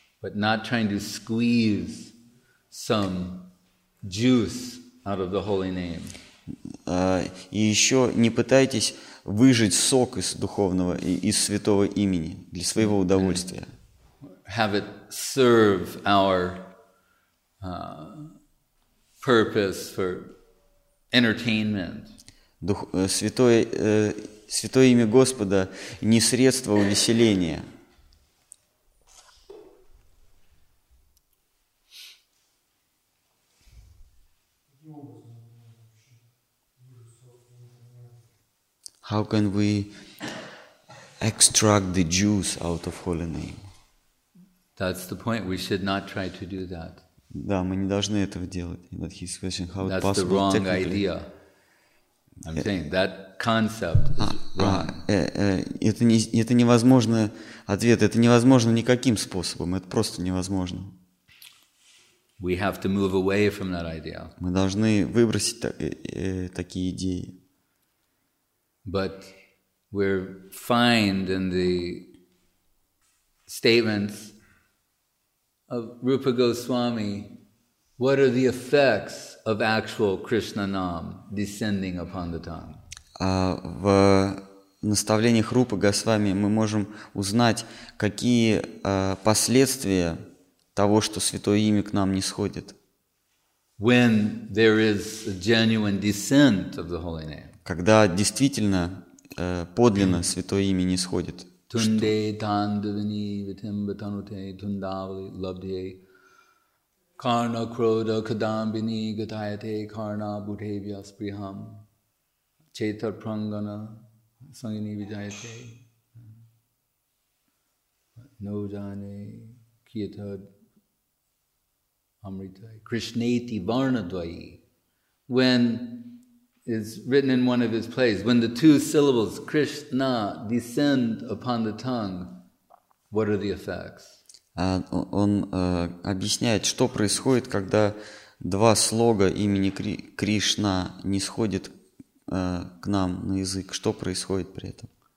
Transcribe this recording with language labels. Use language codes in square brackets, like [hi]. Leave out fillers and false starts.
[en] But not trying to squeeze some juice out of the holy name. [ru] И еще не пытайтесь выжать сок из духовного, из святого имени для своего удовольствия. [en] Have it serve our purpose for entertainment. [ru] Святое имя Господа не средство увеселения. [en] How can we extract the juice out of holy name? That's the point. We should not try to do that. [ru] Да, мы не должны этого делать. [en] But he's questioning how that's it possible. That's the wrong idea. I'm saying that concept is wrong. [ru] Это невозможно ответ. Это невозможно никаким способом. Это просто невозможно. [en] We have to move away from that idea. [ru] Мы должны выбросить такие идеи. [en] But we're fine in the statements of Rupa Goswami. What are the effects of actual Krishna Nam descending upon the tongue? [ru] В наставлениях Рупы Госвами мы можем узнать, какие последствия того, что Святое Имя к нам нисходит. When there is a genuine descent of the Holy Name. Когда действительно подлинно Святое Имя нисходит. [sa] Тунде тандавини витимбатануте тундавли лабдье карна крода кадамбини гатайате карна бутевья сприхам четар прангана сангини виджайате ноджане киетад амритай кришнети варнадвайи. [en] When is written in one of his plays, when the two syllables Krishna descend upon the tongue, what are the effects? [ru] Он объясняет, что происходит, когда два слога имени Кришна нисходит к нам на язык. Что происходит при этом?